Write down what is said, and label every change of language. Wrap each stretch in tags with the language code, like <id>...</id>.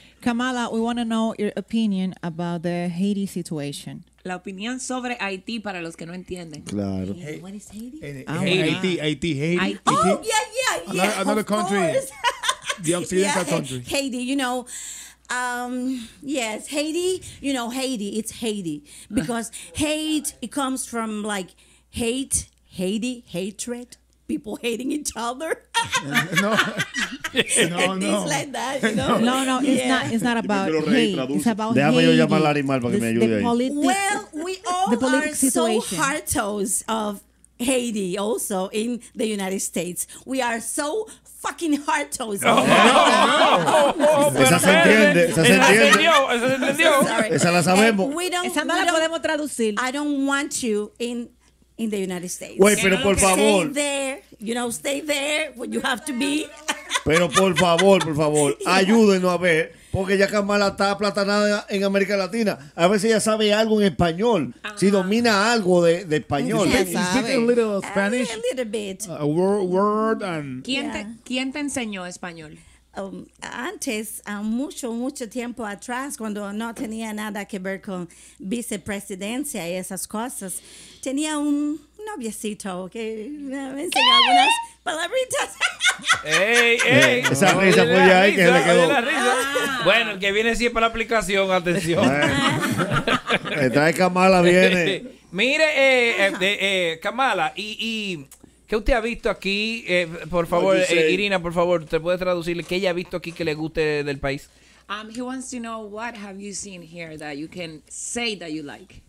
<en>Kamala, we want to know your opinion about the Haiti situation.</en> <es>La opinión sobre Haití para los que no entienden. Claro.</es> <en>What is Haiti? Oh, yeah. Another country. The occidental country. Haiti, it's Haiti. Because hate, it comes from like hate, Haiti, hatred, people hating each other. No, no, it's like that, you know? No, no, it's not. It's not about hate. It's about hate.</en> <es>Déjame yo llamar al animal para que me ayude ahí.</es> <en>Well, we all are so hartos of Haiti. Also, in the United States, we are so fucking hard toes.</en> <es>Esa se entiende. Esa se entiende. Esa se entendió. Esa la sabemos. Esa no la podemos traducir.</es> <en>I don't want you in the United States. Wait,</en> <es>pero por favor.</es> <en>Stay there. You know, stay there where you have to be.</en> <es>Pero por favor, ayúdenos a ver. Porque ya Kamala está aplatanada en América Latina. A ver si ella sabe algo en español. Uh-huh. Si domina algo de español.</es> <en>Yeah, you speak a little Spanish? A little bit. A word and...</en> <es>¿Quién te enseñó español? Antes, mucho tiempo atrás, cuando no tenía nada que ver con vicepresidencia y esas cosas, tenía un noviecito que me enseñó algunas palabritas. ¡Ey! Esa risa fue ya ahí que le quedó. Bueno, el que viene siempre a la aplicación, atención. Esta es Kamala, viene. Mire, Kamala, y ¿qué usted ha visto aquí? Por favor, Irina, por favor, ¿usted puede traducirle qué ella ha visto aquí que le guste del país?</es> <en>He wants to know what have you seen here that you can say that you like.</en>